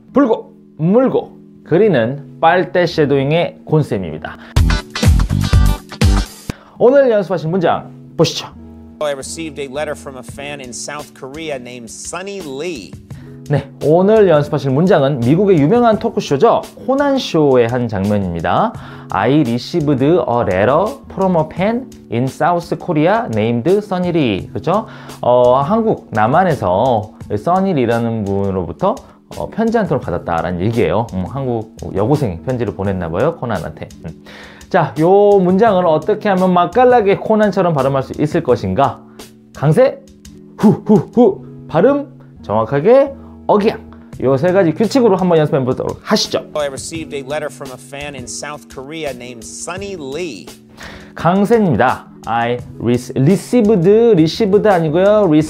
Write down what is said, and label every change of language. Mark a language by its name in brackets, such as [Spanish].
[Korean] 불고, 물고, 그리는 빨대 쉐도잉의 곤쌤입니다. 오늘 연습하신 문장 보시죠. [English] I received a letter from a fan in South Korea named Sunny Lee. [Korean] 네, 오늘 연습하실 문장은 미국의 유명한 토크쇼죠. 코난쇼의 한 장면입니다. [English] I received a letter from a fan in South Korea named Sunny Lee. [Korean] 그렇죠? 한국, 남한에서 Sunny Lee라는 분으로부터 편지 한 통을 받았다라는 얘기예요. 한국 여고생 편지를 보냈나 봐요, 코난한테. 자, 요 문장을 어떻게 하면 맛깔나게 코난처럼 발음할 수 있을 것인가? 강세, 후후후, 발음, 정확하게 억양. 요 세 가지 규칙으로 한번 연습해 보도록 하시죠. [English] I received a letter from a fan in South Korea named Sunny Lee. [Korean] 강세입니다. [English] I received [Korean] 아니고요.